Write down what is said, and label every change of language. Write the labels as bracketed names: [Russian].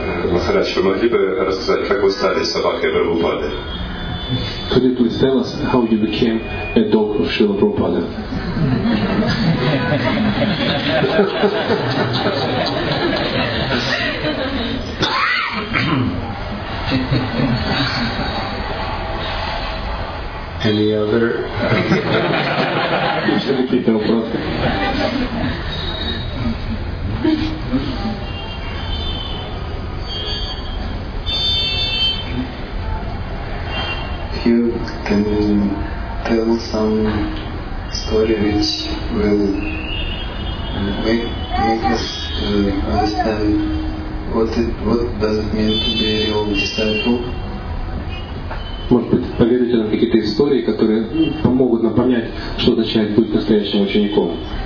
[Russian] Махарадж, вы могли бы рассказать, как вы стали собакой Прабхупады? [English] Could you please tell us how you became a dog of Srila Prabhupada? Any other? You should keep your breath. You can tell some story which will make us understand what does it mean to be a real disciple. [Russian] Может быть, поверите нам какие-то истории, которые помогут нам понять, что означает быть настоящим учеником.